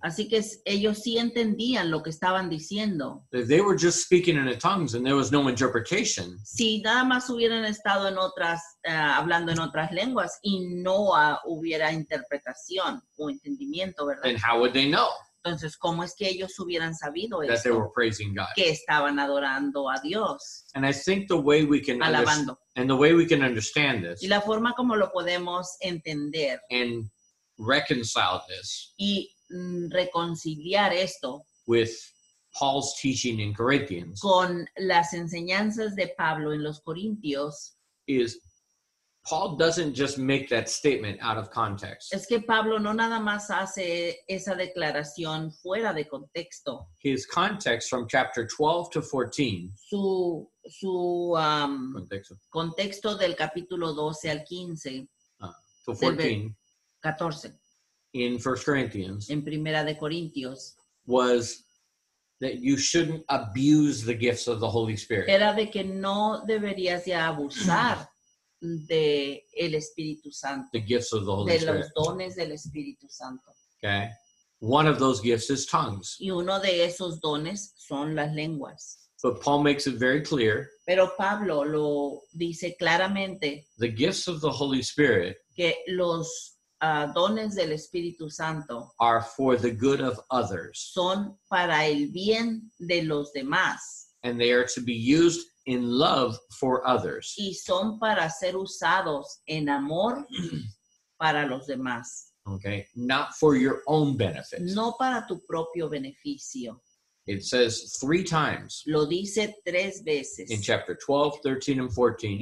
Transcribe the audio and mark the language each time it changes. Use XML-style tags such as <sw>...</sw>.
<es>Así que ellos sí entendían lo que estaban diciendo.</es> <en>If they were just speaking in a tongues and there was no interpretation,</en> <es>si nada más hubieran estado en otras, hablando en otras lenguas y no hubiera interpretación o entendimiento, ¿verdad?</es> <en>Then how would they know?</en> <es>Entonces, ¿cómo es que ellos hubieran sabido</es> <en>that That they were praising God.</en> <es>Que estaban adorando a Dios.</es> <en>And I think the way we can</en> <es>alabando.</es> <en>And the way we can understand this,</en> <es>y la forma como lo podemos entender,</es> <en>and reconcile this,</en> <es>y reconciliar esto,</es> <en>with Paul's teaching in Corinthians,</en> <es>con las enseñanzas de Pablo en los Corintios,</es> <en>is Paul doesn't just make that statement out of context.</en> <es>Es que Pablo no nada más hace esa declaración fuera de contexto.</es> <en>His context from chapter 12 to 14.</en> <es>Su contexto del capítulo 12 al 15.</es> <en>To 14.</en> <es>14.</es> <en>in 1 Corinthians</en> <es>en Primera de Corintios,</es> <en>was that you shouldn't abuse the gifts of the Holy Spirit.</en> <es>Era de que no deberías ya abusar de el Espíritu Santo.</es> <en>The gifts of the Holy Spirit.</en> <es>De los dones del Espíritu Santo.</es> <en>Okay. One of those gifts is tongues.</en> <es>Y uno de esos dones son las lenguas.</es> <en>But Paul makes it very clear.</en> <es>Pero Pablo lo dice claramente.</es> <en>The gifts of the Holy Spirit.</en> <es>Que los dones del Espíritu Santo.</es> <en>Are for the good of others.</en> <es>Son para el bien de los demás.</es> <en>And they are to be used in love for others.</en> <es>Y son para ser usados en amor para los demás.</es> <en>Okay, not for your own benefit.</en> <es>No para tu propio beneficio.</es> <en>It says three times.</en> <es>Lo dice tres veces.</es> <en>In chapter 12, 13, and 14.</en>